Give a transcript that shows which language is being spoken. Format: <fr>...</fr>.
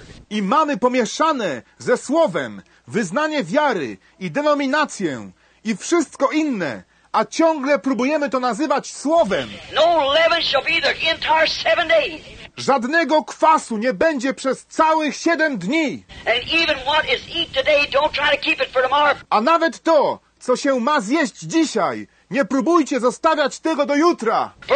<pl>I mamy pomieszane ze słowem wyznanie wiary i denominację i wszystko inne, a ciągle próbujemy to nazywać słowem.</pl> <en>No leaven shall be the entire seven days.</en> <pl>Żadnego kwasu nie będzie przez całych 7 dni.</pl> <en>And even what is eat today, don't try to keep it for tomorrow.</en> <pl>A nawet to, co się ma zjeść dzisiaj, nie próbujcie zostawiać tego do jutra.</pl>